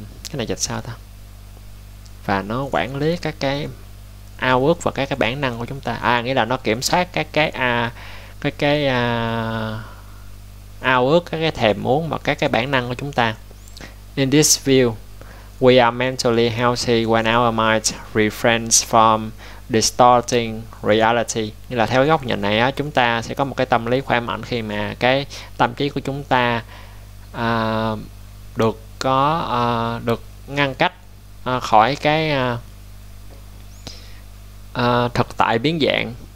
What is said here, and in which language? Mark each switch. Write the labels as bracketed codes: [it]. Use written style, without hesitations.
[vi] Cái này dịch sao ta? Và nó quản lý các cái ao ước và các cái bản năng của chúng ta. À, nghĩa là nó kiểm soát các cái ao ước, các cái thèm muốn và các cái bản năng của chúng ta. [en] In this view, we are mentally healthy when our mind refrains from distorting reality. [vi] Như là theo góc nhìn này á, chúng ta sẽ có một cái tâm lý khỏe mạnh khi mà cái tâm trí của chúng ta được có được ngăn cách khỏi cái thực tại biến dạng.